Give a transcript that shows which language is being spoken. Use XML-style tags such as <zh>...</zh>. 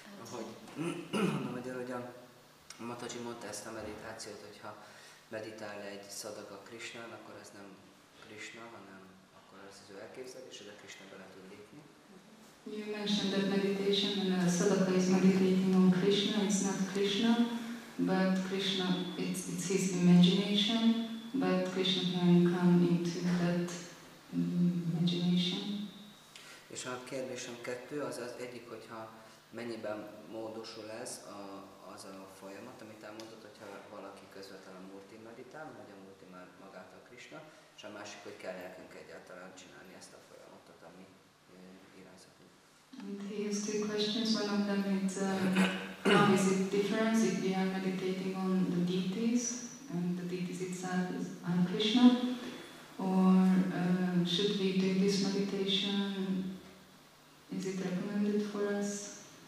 <hu>Hogy mondom, hogy ahogyan Mataji mondta ezt a meditációt, hogyha meditál egy szadaga Krishnán, akkor ez nem Krishna, hanem akkor ez az ő elképzelés, és a Krishna bele tud lépni.</hu> <en>You mentioned that meditation and sadaka is meditating on Krishna, it's not Krishna, but Krishna, it's his imagination, but Krishna can come into that imagination.</en> <hu>És a kérdésem kettő, az az egyik, hogyha mennyiben módosul ez az a folyamat, amit elmondott, hogyha valaki közvetlenül Murti meditál, vagy a Murti már magát a Krishna, és a másik, hogy kell nekünk egyáltalán csinálni ezt a folyamatot, ami irányzatú.</hu> <en>And he has two questions, one of them is, how is it different if we are meditating on the deities, and the deities itself is on Krishna, or should we do this meditation, is it recommended for us?</en>